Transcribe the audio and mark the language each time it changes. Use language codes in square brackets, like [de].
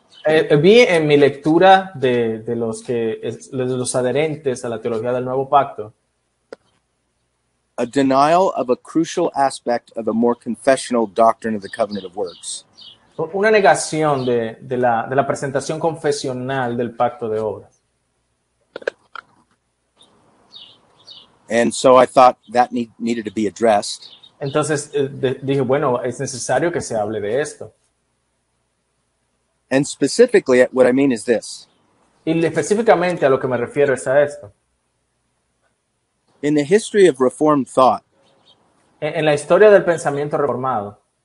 [es] Vi en mi lectura de los adherentes a la teología del Nuevo Pacto. [en] A denial of a crucial aspect of a more confessional doctrine of the covenant of works. [es] Una negación de la presentación confesional del pacto de obras. [en] And so I thought that needed to be addressed. [es] Entonces dije, bueno, es necesario que se hable de esto. [en] And specifically, what I mean is this. [es] Y específicamente a lo que me refiero es a esto. [en] In the history of Reformed thought, [es] en la historia del pensamiento reformado,